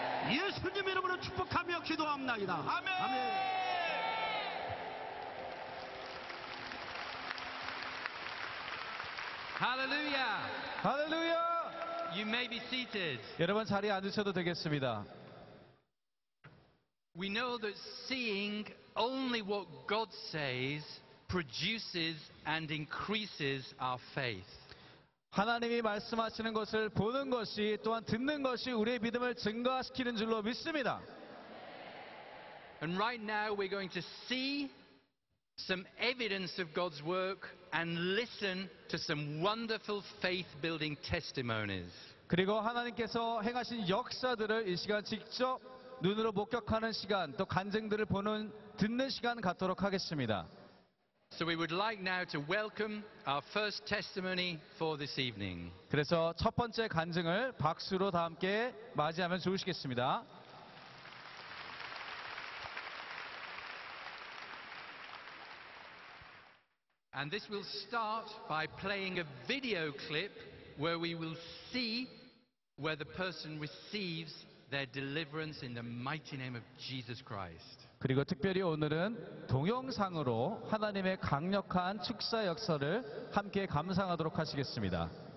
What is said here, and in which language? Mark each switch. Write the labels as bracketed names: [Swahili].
[Korean] 예수님 이름으로 축복하며 기도합니다. 아멘. 아멘. 할렐루야. 할렐루야. [English] You may be seated. [Korean] 여러분 자리에 앉으셔도 되겠습니다. [English] We know that seeing only what God says produces and increases our faith. [Korean] 하나님이 말씀하시는 것을 보는 것이 또한 듣는 것이 우리의 믿음을 증가시키는 줄로 믿습니다. [English] And right now we're going to see some evidence of God's work and listen to some wonderful faith-building testimonies. [Korean] 그리고 하나님께서 행하신 역사들을 이 시간 직접 눈으로 목격하는 시간, 또 간증들을 보는 듣는 시간 갖도록 하겠습니다. [English] So we would like now to welcome our first testimony for this evening. [Korean] 그래서 첫 번째 간증을 박수로 다 함께 맞이하면 좋으시겠습니다. [English] And this will start by playing a video clip where we will see where the person receives their deliverance in the mighty name of Jesus Christ. [Korean] 그리고 특별히 오늘은 동영상으로 하나님의 강력한 축사 역사를 함께 감상하도록 하시겠습니다.